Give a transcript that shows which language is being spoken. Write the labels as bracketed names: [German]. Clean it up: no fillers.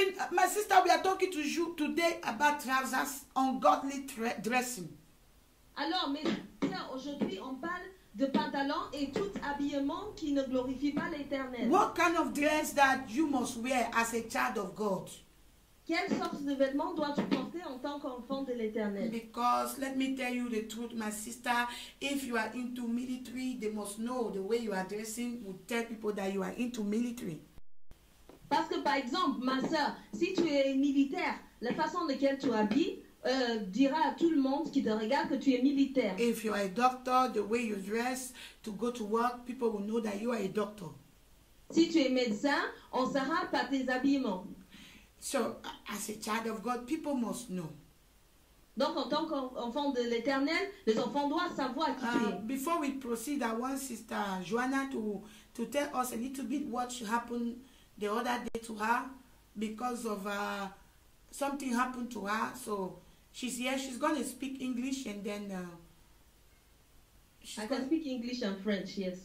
[English] My sister, we are talking to you today about trousers, ungodly dressing. [French] Alors, mes sœurs, aujourd'hui, on parle de pantalons et tout habillement qui ne glorifie pas l'Éternel. [English] What kind of dress that you must wear as a child of God? [French] Quelle sorte de vêtements dois-tu porter en tant qu'enfant de l'Éternel? [English] Because let me tell you the truth, my sister, if you are into military, they must know the way you are dressing would tell people that you are into military. [French] Parce que par exemple, ma sœur, si tu es militaire, la façon de laquelle tu habilles dira à tout le monde qui te regarde que tu es militaire. [English] If you are a doctor, the way you dress to go to work, people will know that you are a doctor. [French] Si tu es médecin, on saura par tes habillements. [English] So, as a child of God, people must know. [French] Donc, en tant qu'enfant de l'Éternel, les enfants doivent savoir qui tu es. [English] Before we proceed, I want Sister Joanna to tell us a little bit what happened the other day to her because of something happened to her. So, she's here. She's going to speak English and then... Speak English and French, yes.